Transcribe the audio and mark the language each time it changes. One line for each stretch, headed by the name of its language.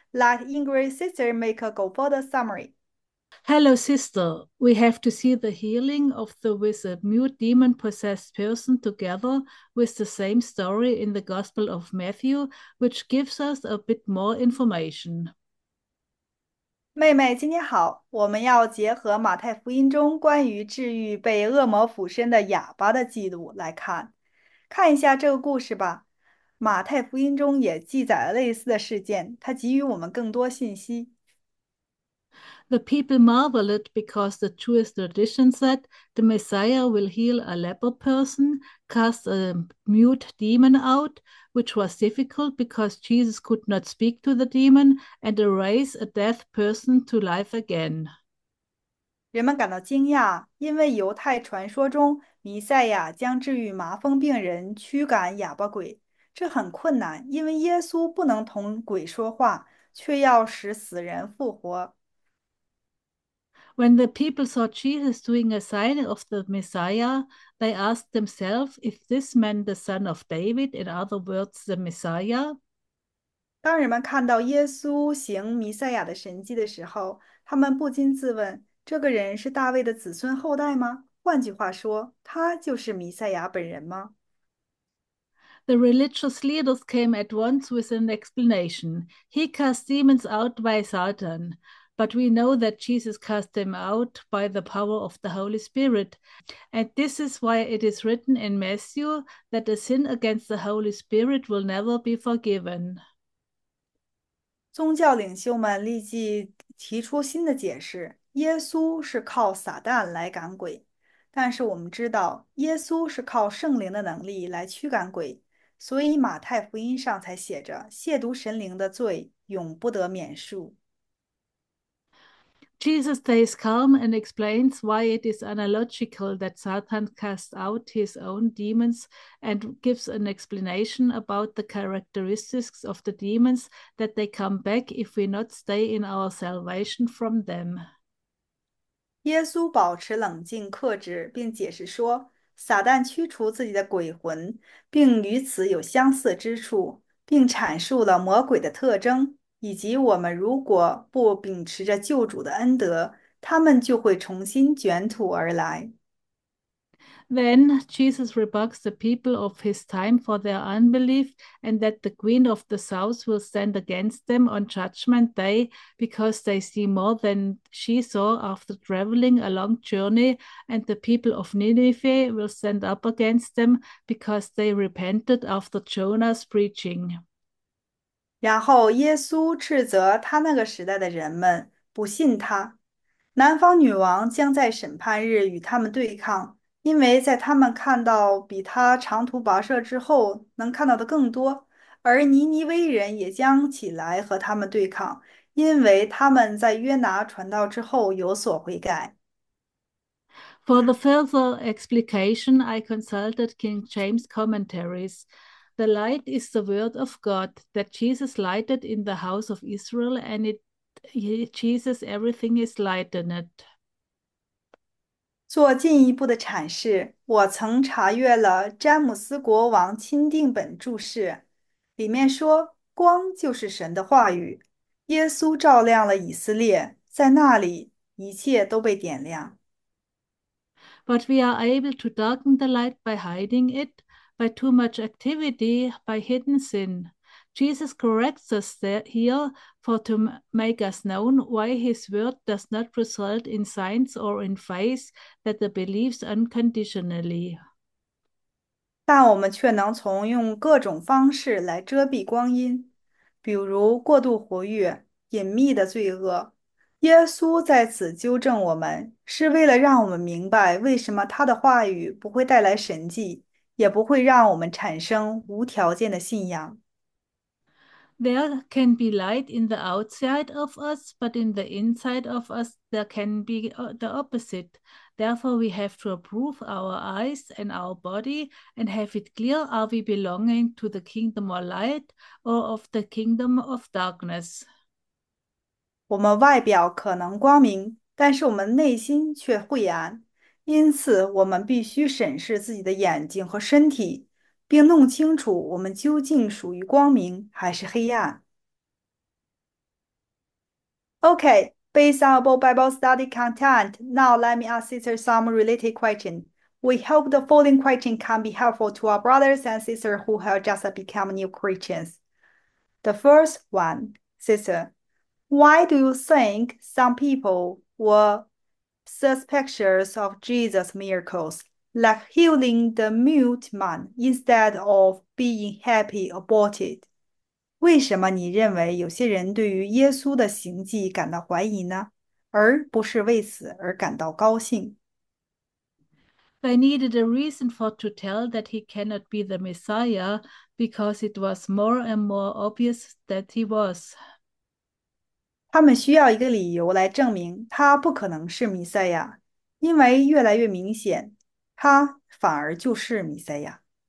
English: Let Ingrid's sister make a go for the summary. Hello, sister. We have to see the healing of the wizard, mute, demon-possessed person together with the same story in the Gospel of Matthew, which gives us a bit more information.
Chinese: 妹妹，今天好，我们要结合马太福音中关于治愈被恶魔附身的哑巴的记录来看，看一下这个故事吧。马太福音中也记载了类似的事件，它给予我们更多信息。
English: The people marveled because the Jewish tradition said the Messiah will heal a leper person, cast a mute demon out, which was difficult because Jesus could not speak to the demon, and raise a deaf person to life again.
Chinese: 人们感到惊讶，因为犹太传说中，弥赛亚将治愈麻风病人，驱赶哑巴鬼。这很困难，因为耶稣不能同鬼说话，却要使死人复活。
English: When the people saw Jesus doing a sign of the Messiah, they asked themselves if this meant the Son of David, in other words, the Messiah.
Chinese: 当人们看到耶稣行弥赛亚的神迹的时候，他们不禁自问：这个人是大卫的子孙后代吗？换句话说，他就是弥赛亚本人吗？
English: The religious leaders came at once with an explanation. He cast demons out by Satan. But we know that Jesus cast them out by the power of the Holy Spirit. And this is why it is written in Matthew that a sin against the Holy Spirit will never be forgiven.
Chinese: 宗教领袖们立即提出新的解释：耶稣是靠撒旦来赶鬼，但是我们知道耶稣是靠圣灵的能力来驱赶鬼，所以马太福音上才写着：亵渎神灵的罪永不得免恕。
English: Jesus stays calm and explains why it is analogical that Satan casts out his own demons and gives an explanation about the characteristics of the demons that they come back if we not stay in our salvation from them.
Chinese: 耶稣保持冷静克制，并解释说，撒旦驱除自己的鬼魂，并与此有相似之处，并阐述了魔鬼的特征，以及我们如果不秉持着救主的恩德，他们就会重新卷土而来。
English: Then Jesus rebukes the people of his time for their unbelief and that the Queen of the South will stand against them on Judgment Day because they see more than she saw after traveling a long journey, and the people of Nineveh will stand up against them because they repented after Jonah's preaching.
Chinese: 然后，耶稣斥责他那个时代的人们不信他。南方女王将在审判日与他们对抗，因为在他们看到比他长途跋涉之后能看到的更多，而尼尼微人也将起来和他们对抗，因为他们在约拿传道之后有所悔改。
English: For the further explication, I consulted King James commentaries. The light is the word of God that Jesus lighted in the house of Israel, and Jesus, everything is light in it.
Chinese: 做进一步的阐释，我曾查阅了詹姆斯国王钦定本注释，里面说：“光就是神的话语，耶稣照亮了以色列，在那里一切都被点亮。”
English: But we are able to darken the light by hiding it, by too much activity, by hidden sin. Jesus corrects us there, here for to make us known why his word does not result in signs or in faith that the believes unconditionally.
Chinese: 但我们却能从用各种方式来遮蔽光阴，比如过度活跃、隐秘的罪恶。耶稣在此纠正我们，是为了让我们明白为什么他的话语不会带来神迹，也不会让我们产生无条件的信仰。
English: There can be light in the outside of us, but in the inside of us, there can be the opposite. Therefore, we have to approve our eyes and our body and have it clear: are we belonging to the kingdom of light or of the kingdom of darkness?
Chinese: 我们外表可能光明，但是我们内心却晦暗，因此我们必须审视自己的眼睛和身体，并弄清楚我们究竟属于光明还是黑暗。
English: Okay, based on both Bible study content, now let me ask sisters some related questions. We hope the following question can be helpful to our brothers and sisters who have just become new Christians. The first one, sister, why do you think some people were suspicious of Jesus' miracles, like healing the mute man instead of being happy about it?
Chinese: 为什么你认为有些人对于耶稣的行迹感到怀疑呢，而不是为此而感到高兴？
English: I needed a reason for to tell that he cannot be the Messiah because it was more and more obvious that he was.
Chinese: 他们需要一个理由来证明他不可能是弥赛亚，因为越来越明显，他反而就是弥赛亚。